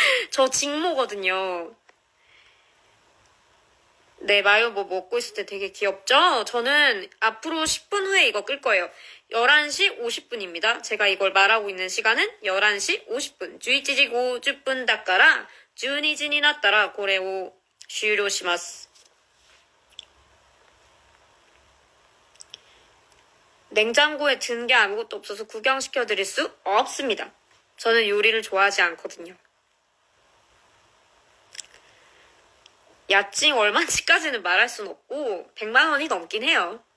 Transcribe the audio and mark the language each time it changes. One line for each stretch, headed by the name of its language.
Korean: 저 직모거든요. 네, 마요 뭐 먹고 있을 때 되게 귀엽죠? 저는 앞으로 10분 후에 이거 끌 거예요. 11시 50분입니다. 제가 이걸 말하고 있는 시간은 11시 50분. 11시 50분 닦아라.
Japanese: 12시 になったらこれを終了します。
Korean: 냉장고에 든게 아무것도 없어서 구경시켜 드릴 수 없습니다. 저는 요리를 좋아하지 않거든요. 야칭 얼마인지까지는 말할 순 없고, 100만 원이 넘긴 해요.